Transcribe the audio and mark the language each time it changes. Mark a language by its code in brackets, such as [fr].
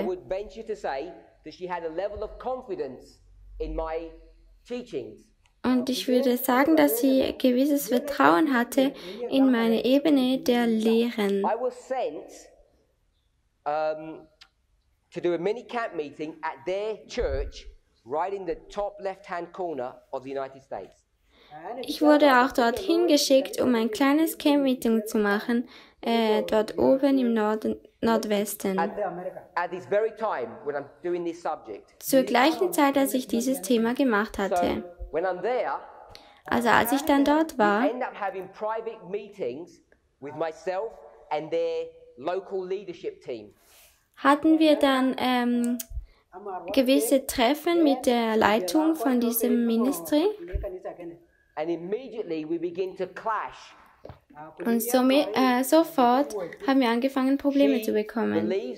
[de] Ich würde [en] venture to say, [de] dass sie ein Level von Confidence [en] in my teachings. [de] Und ich würde sagen, dass sie gewisses Vertrauen hatte in meine Ebene der Lehren. [en] I was sent to do a mini camp meeting at their church right in the top left-hand corner of the United States. [de] Ich wurde auch dorthin geschickt, um ein kleines Camp Meeting zu machen, dort oben im Norden. Nordwesten. [en] At this very time, when I'm doing this subject. [de] Zur gleichen Zeit, als ich dieses Thema gemacht hatte. [en] So, when I'm there, [de] also als ich dann dort war, [en] end up having private meetings with myself and their local leadership team. [de] Hatten wir dann gewisse Treffen mit der Leitung von diesem Ministry. [en] And immediately we begin to clash. [de] Und somit, sofort haben wir angefangen, Probleme zu bekommen.